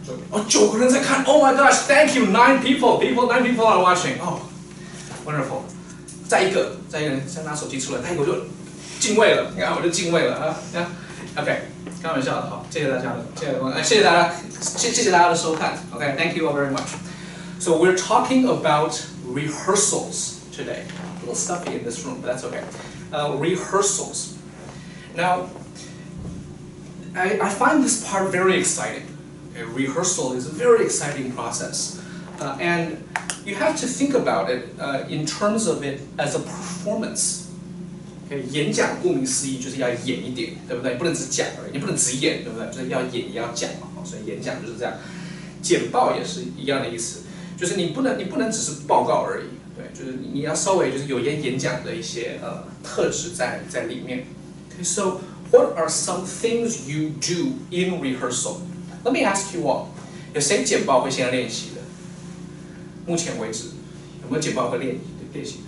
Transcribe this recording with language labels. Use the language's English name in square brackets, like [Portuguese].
[English] Oh, [Chinese] 九个人在看 [English] Oh my gosh, thank you, nine people are watching. Oh, wonderful. [Chinese] 再一个人先拿手机出来，再一个我就敬畏了，你看我就敬畏了啊。 OK, 开玩笑的，好，谢谢大家的收看。 [English] OK, thank you all very much. So we're talking about rehearsals today. A little stuffy in this room, but that's okay. Rehearsals. Now, I find this part very exciting. A rehearsal is a very exciting process, and you have to think about it in terms of it as a performance. [Chinese] Okay, 演讲顾名思义就是要演一点，对不对？不能只讲而已，你不能只演，对不对？就是要演也要讲嘛，所以演讲就是这样。简报也是一样的意思，就是你不能只是报告而已，对，就是你要稍微就是有演讲的一些特质在里面。 [English] Okay, so what are some things you do in rehearsal? Let me ask you all, [Chinese] 有谁简报会先练习的？目前为止，有没有简报会练习的？